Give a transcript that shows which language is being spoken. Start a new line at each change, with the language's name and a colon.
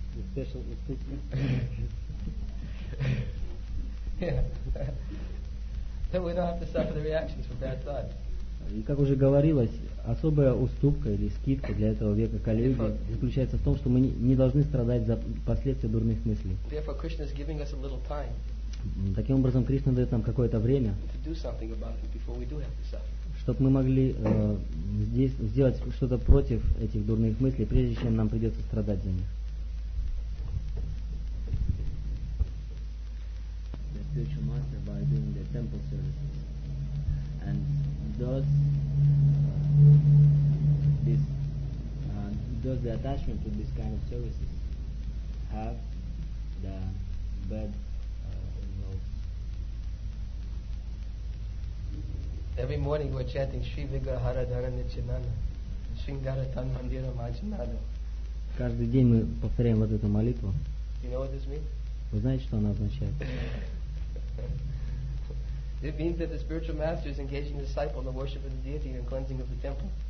English: Special ustupka. Yeah. So we don't have to suffer the reactions from bad thoughts.
Russian: И как уже говорилось, особая уступка или скидка для этого века Кали-Юги заключается в том, что мы не должны страдать за последствия дурных мыслей.
English: Therefore, Krishna is giving us a little time.
Russian: Таким образом, Кришна дает нам какое-то время,
English: to do something about it before we do have to suffer.
Russian: Чтобы мы могли здесь сделать что-то против этих дурных мыслей, прежде чем нам придется страдать за них.
English: Spiritual master by doing the temple services, and does this does the attachment to this kind of services have the bad results? Every morning we're chanting
Sanskrit: Shri Vigrahara Dhara Nichinana Shringara Tan Mandira Majinada.
Russian: Каждый день мы повторяем вот эту молитву.
English: You know what this means?
Russian: Вы знаете, что она означает?
English: It means that the spiritual master is engaging the disciple in the worship of the deity and cleansing of the temple.